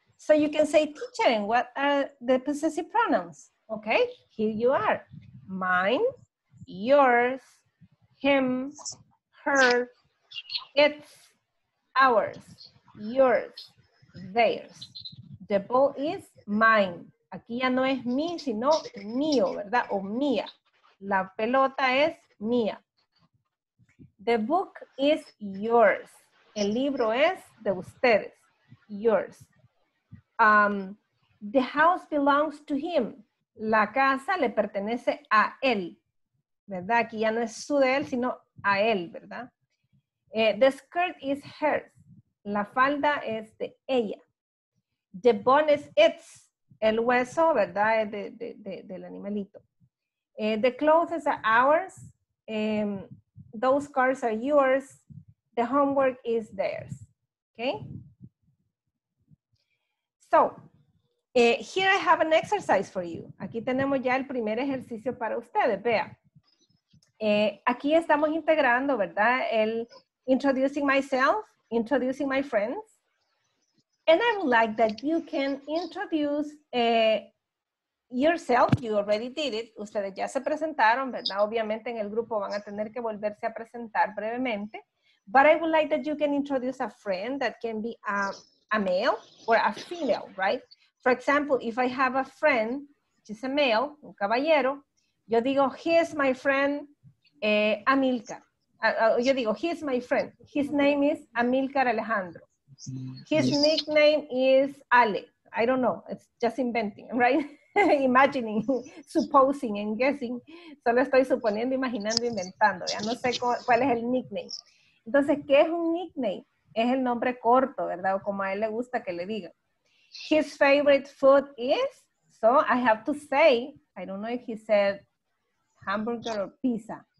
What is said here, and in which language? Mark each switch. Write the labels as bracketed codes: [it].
[en] So you can say, teacher, what are the possessive pronouns? Okay, here you are. Mine, yours, him, her, it's, ours, yours, theirs. The ball is mine. [es] Aquí ya no es mi, sino mío, ¿verdad? O mía. La pelota es mía. [en] The book is yours. [es] El libro es de ustedes. [en] Yours. The house belongs to him. [es] La casa le pertenece a él. ¿Verdad? Aquí ya no es su de él, sino a él, ¿verdad? [en] The skirt is hers. [es] La falda es de ella. [en] The bone is its. [es] El hueso, ¿verdad? Es del animalito. [en] The clothes are ours. Those cars are yours. The homework is theirs. Okay? So, here I have an exercise for you. [es] Aquí tenemos ya el primer ejercicio para ustedes. Vea. Aquí estamos integrando, ¿verdad? [en] El introducing myself, introducing my friends. And I would like that you can introduce yourself. You already did it. [es] Ustedes ya se presentaron, ¿verdad? Obviamente en el grupo van a tener que volverse a presentar brevemente. [en] But I would like that you can introduce a friend that can be a male or a female, right? For example, if I have a friend, which is a male, [es] un caballero, yo digo, [en] here's my friend, Amilcar. [es] Yo digo, [en] here's my friend. His name is Amilcar Alejandro. His nickname is Ale. I don't know. It's just inventing, right? Imagining, supposing and guessing. [es] Solo estoy suponiendo, imaginando, inventando. Ya no sé cuál es el nickname. Entonces, ¿qué es un nickname? Es el nombre corto, ¿verdad? O como a él le gusta que le digan. [en] His favorite food is, so I have to say, I don't know if he said hamburger or pizza.